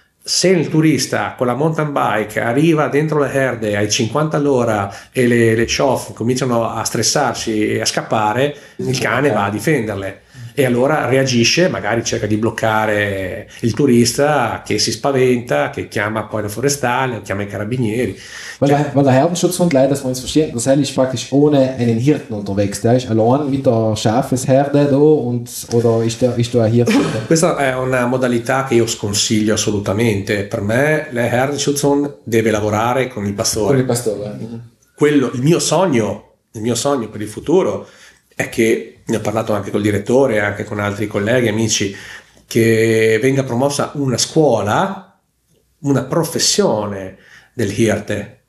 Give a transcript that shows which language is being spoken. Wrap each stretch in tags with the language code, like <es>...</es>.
<it>Se il turista con la mountain bike arriva dentro le herde ai 50 all'ora e le chow cominciano a stressarsi e a scappare, il cane va a difenderle e allora reagisce, magari cerca di bloccare il turista che si spaventa, che chiama poi la forestale o chiama i carabinieri.</it> <de>Weil der Herdenschutzhund, leider, dass wir uns verstehen, das ist praktisch ohne einen Hirten unterwegs. Der ist allein mit der Schafesherde da und, oder ist da ein Hirte?</de> <it>Questa è una modalità che io sconsiglio assolutamente. Per me, der Herdenschutzhund deve lavorare con il pastore. Con il pastore. Quello, il mio sogno per il futuro è che, ne ho parlato anche col direttore, anche con altri colleghi, amici, che venga promossa una scuola, una professione del Hirte.</it>